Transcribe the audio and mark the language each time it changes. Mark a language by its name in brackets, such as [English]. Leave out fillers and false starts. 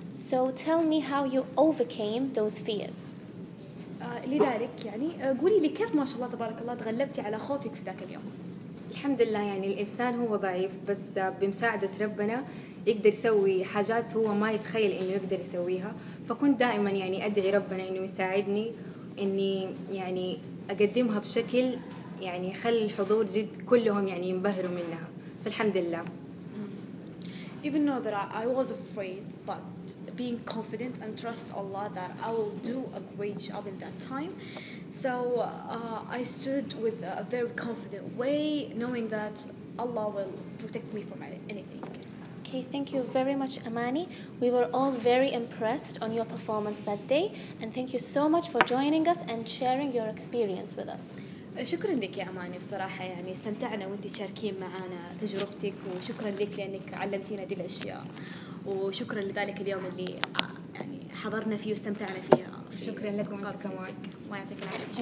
[English] So tell me how you overcame those fears. [Arabic] لذلك يعني قولي لي كيف ما شاء الله تبارك الله تغلبتي على خوفك في ذاك اليوم. الحمد لله يعني الإنسان هو ضعيف، بس بمساعدة ربنا يقدر يسوي حاجات هو ما يتخيل إنه يقدر يسويها. فكنت دائما يعني أدعي ربنا إنه يساعدني إني يعني أقدمها بشكل يعني يخلي الحضور جد كلهم يعني ينبهروا منها. فالحمد لله. [English] Even though that I was afraid, but being confident and trust Allah that I will do a great job in that time. So I stood with a very confident way, knowing that Allah will protect me from anything. Okay, thank you very much, Amani. We were all very impressed on your performance that day, and thank you so much for joining us and sharing your experience with us. [Arabic] شكرا لك يا أماني بصراحة، يعني استمتعنا وانت تشاركين معنا تجربتك، وشكرا لك لأنك علمتينا دي الأشياء، وشكرا لذلك اليوم اللي يعني حضرنا فيه واستمتعنا فيها. شكرا لكم انتم كمان. الله يعطيك العافية.